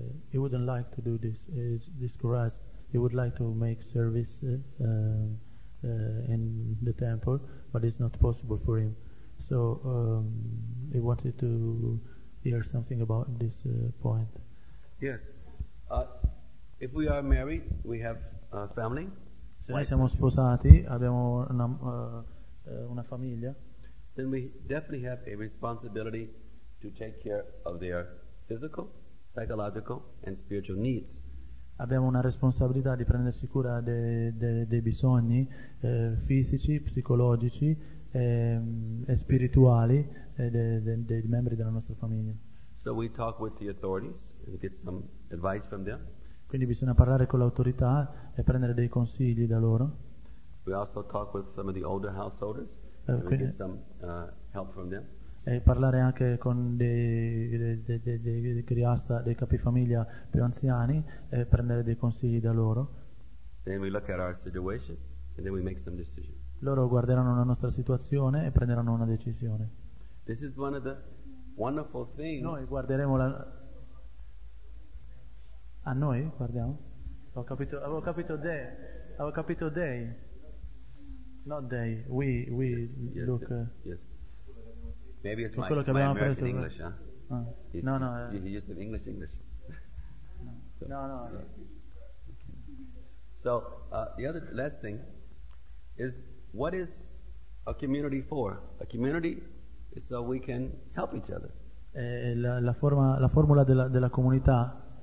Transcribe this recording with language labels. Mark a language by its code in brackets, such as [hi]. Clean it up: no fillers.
[en] He wouldn't like to do this. This grass, he would like to make service in the temple, but it's not possible for him. So he wanted to hear something about this point. Yes. If we are married, we have a family. [it] Se noi siamo sposati, abbiamo una famiglia. [en] Then we definitely have a responsibility to take care of their physical, psychological and spiritual needs. [it] Abbiamo una responsabilità di prendersi cura dei bisogni fisici, psicologici e spirituali dei membri della nostra famiglia. [en] So we talk with the authorities and get some advice from them. [it] Quindi bisogna parlare con l'autorità e prendere dei consigli da loro. [en] We also talk with some of the older householders and we get some help from them. [it] E parlare anche con dei criasta, dei capifamiglia più anziani e prendere dei consigli da loro. [en] Then we look at our situation and then we make some decision. [it] Loro guarderanno la nostra situazione e prenderanno una decisione. [en] This is one of the wonderful things. [it] Noi guarderemo la. A noi guardiamo. Avevo capito dei. [en] Not [it] dei. [en] We yes, look. Yes. Maybe it's my American English, huh? He just said English. No. So, the other last thing is, what is a community for? A community is so we can help each other. [it] La formula della comunità.